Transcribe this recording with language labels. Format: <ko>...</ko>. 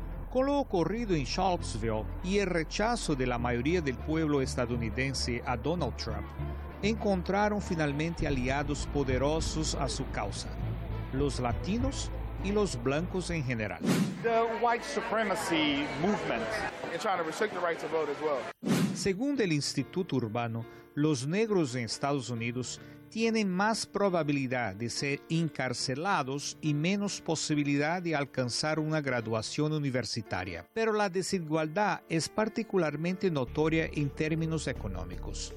<es>Con lo ocurrido en Charlottesville y el rechazo de la mayoría del pueblo estadounidense a Donald Trump, encontraron finalmente aliados poderosos a su causa, los latinos y los blancos en general.</es> <en>The white supremacy movement in trying to restrict the right to vote as well.</en> <es>Según el Instituto Urbano, los negros en Estados Unidos tienen más probabilidad de ser encarcelados y menos posibilidad de alcanzar una graduación universitaria. Pero la desigualdad es particularmente notoria en términos económicos.</es>